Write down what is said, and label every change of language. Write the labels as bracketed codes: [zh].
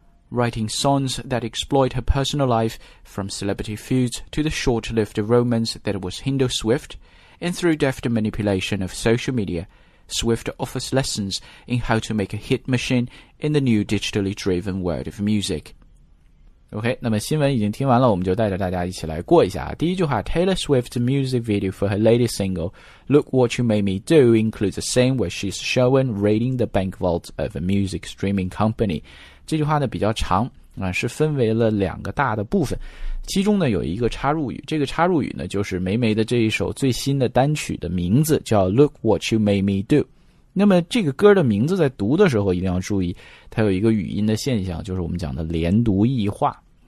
[en] Writing songs that exploit her personal life, from celebrity feuds to the short-lived romance that was Hindo Swift, and through deft manipulation of social media,Swift offers lessons in how to make a hit machine in the new digitally driven world of music. [zh] OK, 那么新闻已经听完了，我们就带着大家一起来过一下。第一句话， [en] Taylor Swift's music video for her latest single, Look What You Made Me Do, includes a scene where she's shown raiding the bank vault of a music streaming company. [zh] 这句话呢比较长、是分为了两个大的部分。其中呢有一个插入语，这个插入语呢就是霉霉的这一首最新的单曲的名字，叫 Look What You Made Me Do。那么这个歌的名字在读的时候一定要注意，它有一个语音的现象，就是我们讲的连读异化。